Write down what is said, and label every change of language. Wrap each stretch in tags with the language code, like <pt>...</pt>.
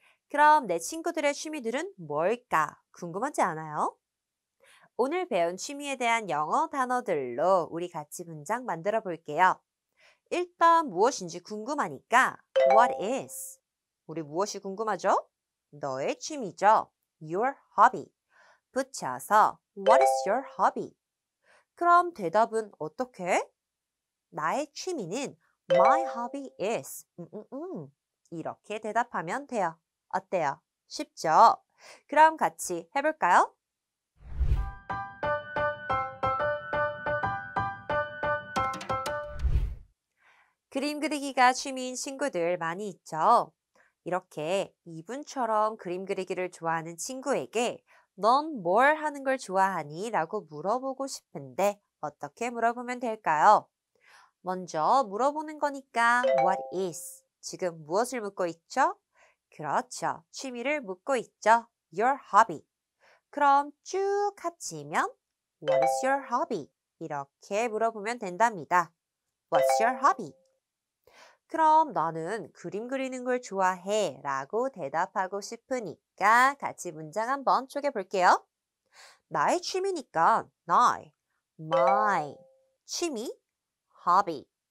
<ko>그럼 내 친구들의 취미들은 뭘까? 궁금하지 않아요? 오늘 배운 취미에 대한 영어 단어들로 우리 같이 문장 만들어 볼게요. 일단 무엇인지 궁금하니까 What is? 우리 무엇이 궁금하죠? 너의 취미죠? Your hobby.</ko> <en>붙여서 What is your hobby?</en> <ko>그럼 대답은 어떻게? 나의 취미는 My hobby is 이렇게 대답하면 돼요. 어때요? 쉽죠? 그럼 같이 해볼까요? 그림 그리기가 취미인 친구들 많이 있죠? 이렇게 이분처럼 그림 그리기를 좋아하는 친구에게 넌 뭘 하는 걸 좋아하니? 라고 물어보고 싶은데 어떻게 물어보면 될까요? 먼저 물어보는 거니까 What is? 지금 무엇을 묻고 있죠? 그렇죠. 취미를 묻고 있죠. Your hobby.</ko> <en>그럼 쭉 합치면 What is your hobby?</en> <ko>이렇게 물어보면 된답니다.</ko> <en>What's your hobby?</en> <ko>그럼 나는 그림 그리는 걸 좋아해 라고 대답하고 싶으니까 같이 문장 한번 쪼개 볼게요. 나의 취미니까 나의 My 취미 hobby.</ko>